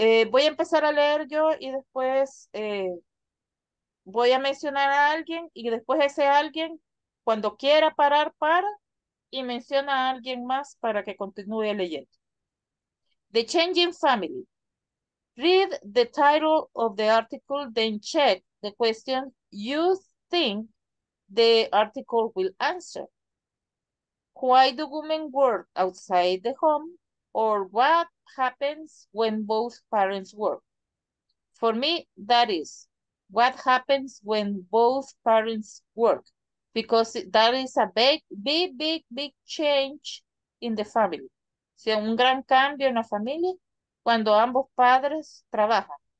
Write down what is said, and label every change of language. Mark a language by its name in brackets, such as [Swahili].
[Spanish] Voy a empezar a leer yo y después voy a mencionar a alguien y después ese alguien, cuando quiera parar, para y menciona a alguien más para que continúe leyendo. [English] The Changing Family. Read the title of the article, then check the question you think the article will answer. Why do women work outside the home? Or what happens when both parents work? For me, that is what happens when both parents work, because that is a big, big, big, big change in the family. [Spanish] O sea, un gran cambio en la familia cuando ambos padres trabajan.